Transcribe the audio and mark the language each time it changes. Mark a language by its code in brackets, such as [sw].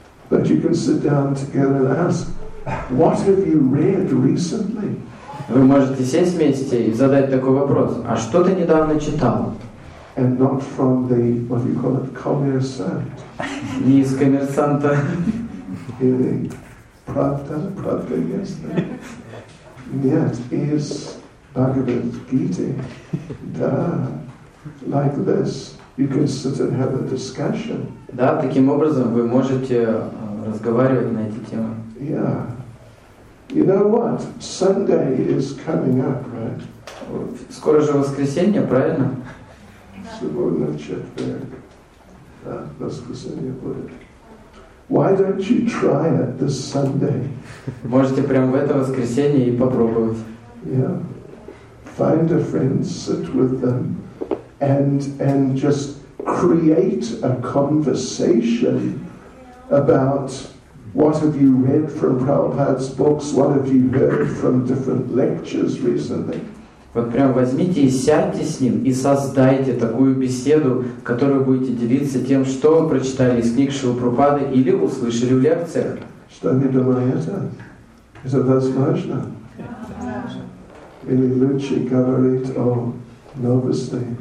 [en] But you can sit down together and ask, what have you read recently? [ru] Вы можете сесть вместе и задать такой вопрос: а что ты недавно читал? [en] And not from the what do you call it, коммерсант. [ru] Не из коммерсанта. Или правда, yes. Нет, из Bhagavad Gita. [en] Да, like this. You can sit and have a discussion. [ru] Да, таким образом вы можете разговаривать на эти темы. [en] Yeah. You know what? Sunday is coming up, right? [ru] Скоро же воскресенье, правильно? Сегодня четверг. Да, воскресенье будет. [en] Why don't you try it this Sunday? [ru] Можете прямо в это воскресенье и попробовать. [en] Yeah. Find a friend, sit with them. And just create a conversation about what have you read from Prabhupada's books, what have you heard from different lectures recently. [ru] Вот прям возьмите и сядьте с ним и создайте такую беседу, которую будете делиться тем, что вы прочитали из книг Шрилы Прабхупады или услышали в лекциях. Что не думаете? Это возможно? Или лучше говорить о новости?